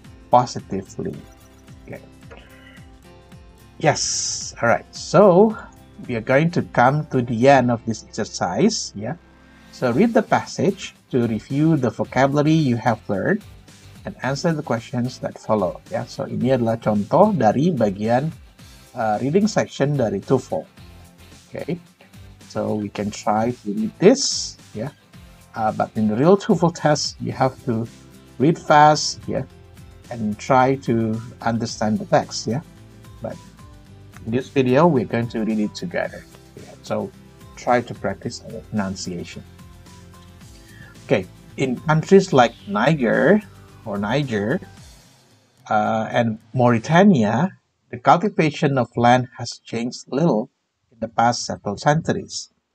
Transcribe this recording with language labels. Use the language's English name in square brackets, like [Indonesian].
[English] Positively. Okay. Yes. All right. So, we are going to come to the end of this exercise. Yeah. So, read the passage to review the vocabulary you have learned and answer the questions that follow. Yeah. [Indonesian] So, ini adalah contoh dari bagian reading section dari TOEFL. [English] Okay. So, we can try to read this. Yeah. But in the real TOEFL test, you have to read fast, yeah, and try to understand the text, yeah. But in this video, we're going to read it together. Yeah. So try to practice our pronunciation. Okay, in countries like Niger, and Mauritania, the cultivation of land has changed little in the past several centuries.